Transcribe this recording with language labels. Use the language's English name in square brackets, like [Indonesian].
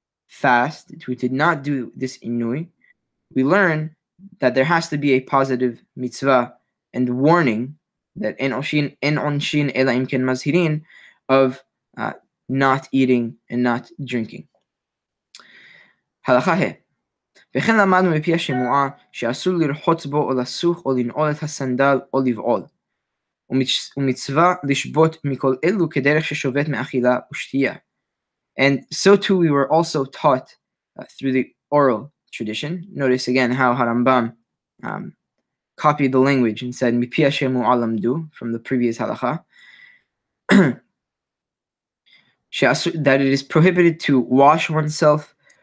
[English] fast, who did not do this inui, we learn that there has to be a positive mitzvah and warning that [Hebrew] en onshin ela imken mazhirin, [English] of not eating and not drinking. [Hebrew] Halacha he. וכן למדנו מפי השמועה שאסור לרחוץ בו או לסוך או לנעול את הסנדל או לבעול. ומצווה לשבות מכל אלו כדרך ששובת מאכילה ושתייה. [English] And so too we were also taught through the oral tradition. Notice again how Harambam copied the language and said [Hebrew] מפי השמועה למדו, [English] from the previous halacha, that it is prohibited to wash oneself.